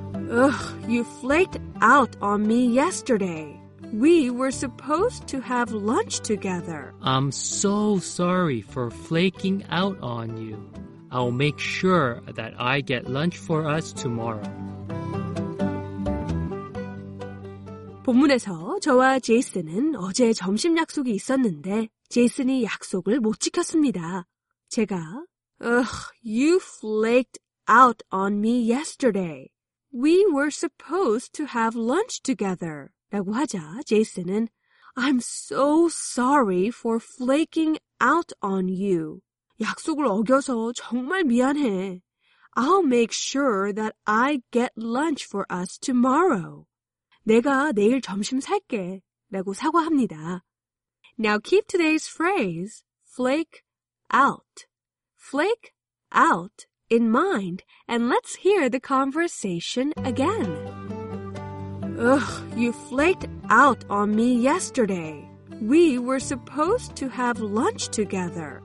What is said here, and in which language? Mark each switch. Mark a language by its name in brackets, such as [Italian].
[English] Ugh, you flaked out on me yesterday. We were supposed to have lunch together. I'm so sorry for flaking out on you. I'll make sure that I get lunch for us tomorrow. [Korean] 본문에서 저와 제이슨은 어제 점심 약속이 있었는데 제이슨이 약속을 못 지켰습니다. 제가 [English] Ugh, you flaked out on me yesterday. We were supposed to have lunch together. [Korean] 라고 하자 제이슨은 [English] I'm so sorry for flaking out on you. [Korean] 약속을 어겨서 정말 미안해. [English] I'll make sure that I get lunch for us tomorrow. [Korean] 내가 내일 점심 살게 라고 사과합니다. [English] Now keep today's phrase, flake out. Flake out in mind and let's hear the conversation again. Ugh, you flaked out on me yesterday. We were supposed to have lunch together.